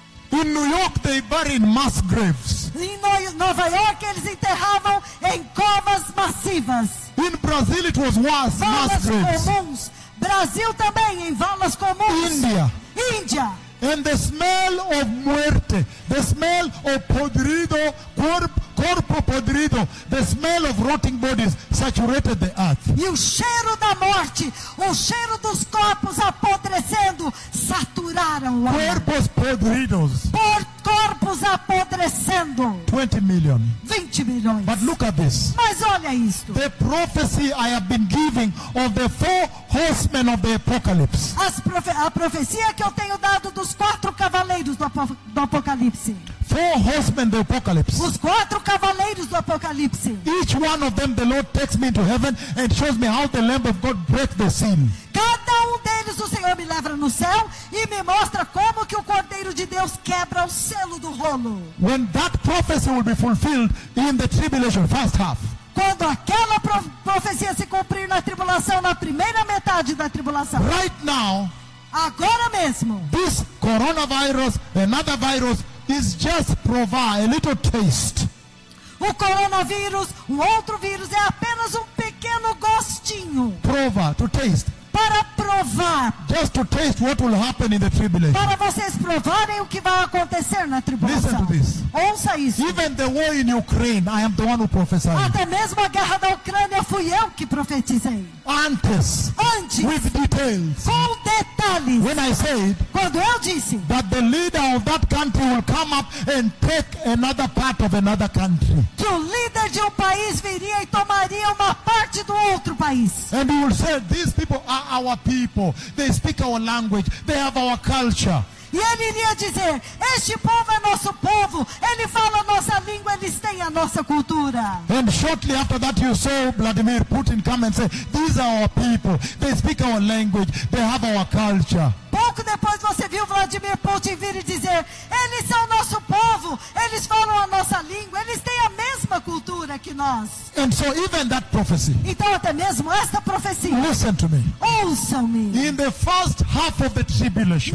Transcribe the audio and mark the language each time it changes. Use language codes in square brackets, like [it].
[en] In New York they bury in mass graves. [pt] Em Nova York eles enterravam em covas massivas. [en] In Brazil it was worse, mass graves. [pt] Comuns. Brasil também em valas comuns. [en] India. [pt] Índia. [en] And the smell of [es] muerte, [en] the smell of [pt] podrido corpo podrido, [en] the smell of rotting bodies saturated the earth. [pt] E o cheiro da morte, o cheiro dos corpos apodrecendo saturaram o ar. Corpos podridos. Corpos apodrecendo. [en] 20 million. [pt] 20 milhões. [en] But look at this. [pt] Mas olha isto. [en] The prophecy I have been giving of the four horsemen of the apocalypse. [pt] A profecia que eu tenho dado dos quatro cavaleiros do apocalipse. [en] Four horsemen of the apocalypse. [pt] Os quatro cavaleiros do apocalipse. [en] Each one of them the Lord takes me into heaven and shows me how the Lamb of God breaks the seal. [pt] Cada um deles o Senhor me leva no céu e me mostra como que o Cordeiro de Deus quebra o selo do rolo. [en] When that prophecy will be fulfilled in the tribulation first half. [pt] Quando aquela profecia se cumprir na tribulação, na primeira metade da tribulação. [en] Right now. [pt] Agora mesmo. [en] This coronavirus, another virus, is just provide a little taste. [pt] O coronavírus, um outro vírus, é apenas um pequeno gostinho. Prova, [en] to taste. [pt] Para provar. [en] Just to taste what will happen in the tribulation. [pt] Para vocês provarem o que vai acontecer na tribulação. [en] Listen to this. [pt] Ouça isso. [en] Even the war in Ukraine, I am the one who prophesied. [pt] Até mesmo a guerra da Ucrânia fui eu que profetizei. Antes. [en] With details. [pt] Com detalhes. [en] When I said. [pt] Quando eu disse. [en] That the leader of that country will come up and take another part of another country. [pt] Que o líder de um país viria e tomaria uma parte do outro país. [en] And he will say, these people are our people. They speak our language. They have our culture. [pt] E ele iria dizer, este povo é nosso povo. Ele fala nossa língua, eles têm a nossa cultura. [en] And shortly after that you saw Vladimir Putin come and say, these are our people. They speak our language. They have our culture. [pt] Pouco depois você viu Vladimir Putin vir e dizer, eles são nosso povo. Eles falam a nossa língua. Eles têm a mesma cultura que nós. [en] And so even that prophecy. [pt] Então até mesmo esta profecia. [en] Listen to me. [pt] Ouça-me. [en] In the first half of the tribulation.